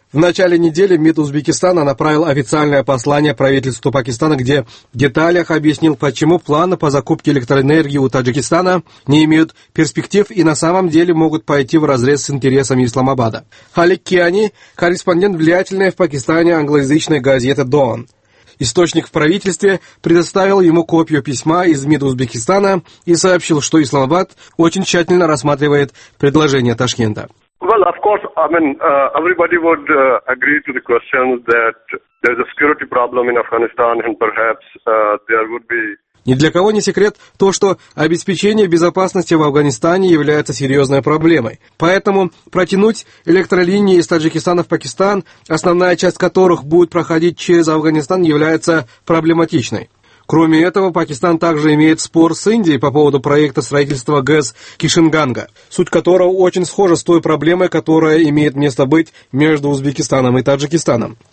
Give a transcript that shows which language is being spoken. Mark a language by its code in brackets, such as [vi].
[ru] В начале недели МИД Узбекистана направил официальное послание правительству Пакистана, где в деталях объяснил, почему планы по закупке электроэнергии у Таджикистана не имеют перспектив и на самом деле могут пойти вразрез с интересами Исламабада. Халик Киани, корреспондент влиятельной в Пакистане англоязычной газеты «Дон». Источник в правительстве предоставил ему копию письма из МИД Узбекистана и сообщил, что Исламабад очень тщательно рассматривает предложение Ташкента. [en] Well, of course, I mean, everybody would agree to the question that there is a security problem in Afghanistan and perhaps there would be... [ru] Ни для кого не секрет то, что обеспечение безопасности в Афганистане является серьезной проблемой. Поэтому протянуть электролинии из Таджикистана в Пакистан, основная часть которых будет проходить через Афганистан, является проблематичной. Кроме этого, Пакистан также имеет спор с Индией по поводу проекта строительства ГЭС Кишинганга, суть которого очень схожа с той проблемой, которая имеет место быть между Узбекистаном и Таджикистаном.